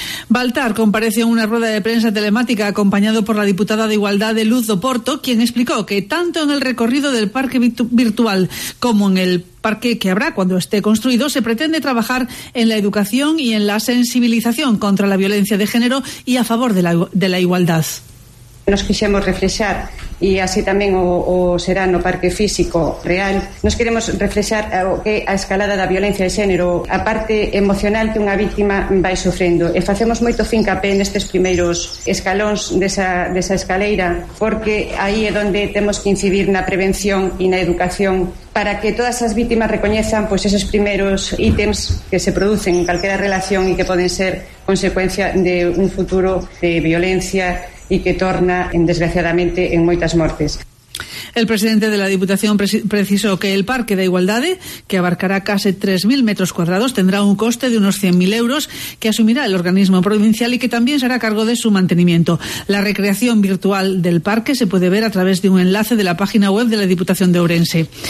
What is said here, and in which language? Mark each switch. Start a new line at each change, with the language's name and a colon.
Spanish: Baltar comparece en una rueda de prensa telemática acompañado por la diputada de Igualdad de Luz do Porto, quien explicó que tanto en el recorrido del parque virtual como en el parque que habrá cuando esté construido, se pretende trabajar en la educación y en la sensibilización contra la violencia de género y a favor de la igualdad.
Galician: Nos quixemos reflexar, e así tamén o será no parque físico real, nos queremos reflexar o que a escalada da violencia de xénero, a parte emocional que unha víctima vai sofrendo. E facemos moito fincapé nestes primeiros escalóns desa escaleira, porque aí é onde temos que incidir na prevención e na educación para que todas as víctimas recoñezan pues, esos primeiros ítems que se producen en calquera relación e que poden ser consecuencia de un futuro de violencia e que torna, desgraciadamente, en moitas mortes.
Spanish: El presidente de la Diputación precisó que el Parque da Igualdade, que abarcará case 3.000 metros cuadrados, tendrá un coste de unos 100.000 euros que asumirá el organismo provincial y que también será cargo de su mantenimiento. La recreación virtual del parque se puede ver a través de un enlace de la página web de la Diputación de Ourense.